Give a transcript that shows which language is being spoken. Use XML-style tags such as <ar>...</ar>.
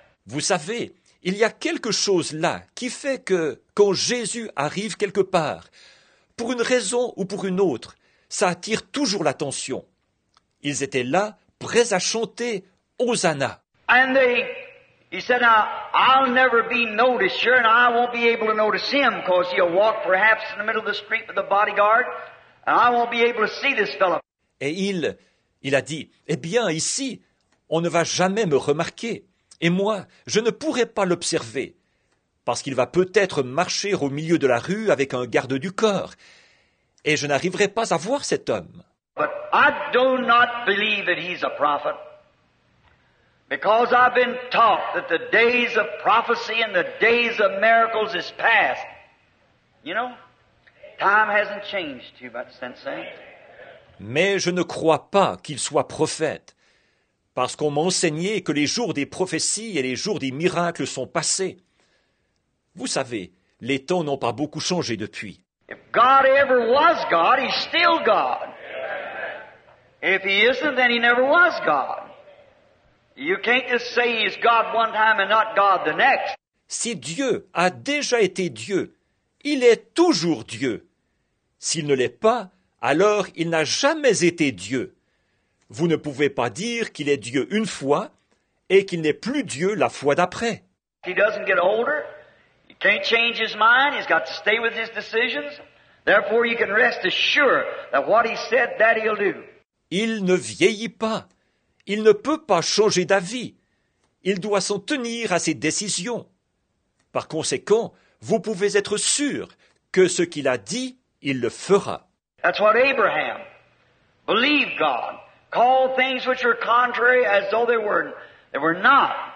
<fr>Vous savez, il y a quelque chose là qui fait que quand Jésus arrive quelque part, pour une raison ou pour une autre, ça attire toujours l'attention. Ils étaient là, prêts à chanter Hosanna.</fr> <en>And he said, now, I'll never be noticed, sure, and I won't be able to notice him, because he'll walk perhaps in the middle of the street with the bodyguard, and I won't be able to see this fellow.</en> <fr>Et il a dit, eh bien, ici, on ne va jamais me remarquer, et moi, je ne pourrai pas l'observer, parce qu'il va peut-être marcher au milieu de la rue avec un garde du corps, et je n'arriverai pas à voir cet homme.</fr> <en>But I do not believe that he's a prophet. Because I've been taught that the days of prophecy and the days of miracles is past. You know, time hasn't changed too much since then.</en> <fr>Mais je ne crois pas qu'il soit prophète, parce qu'on m'a enseigné que les jours des prophéties et les jours des miracles sont passés. Vous savez, les temps n'ont pas beaucoup changé depuis.</fr> <en>If God ever was God, he's still God. If he isn't, then he never was God. You can't just say he's God one time and not God the next.</en> <fr>Si Dieu a déjà été Dieu, il est toujours Dieu. S'il ne l'est pas, alors il n'a jamais été Dieu. Vous ne pouvez pas dire qu'il est Dieu une fois et qu'il n'est plus Dieu la fois d'après.</fr> <en>He doesn't get older. He can't change his mind. He's got to stay with his decisions. Therefore, you can rest assured that what he said, that he'll do.</en> <fr>Il ne vieillit pas. Il ne peut pas changer d'avis. Il doit s'en tenir à ses décisions. Par conséquent, vous pouvez être sûr que ce qu'il a dit, il le fera.</fr> <en>That's what Abraham believed God. Called things which were contrary as though they were. They were not.</en>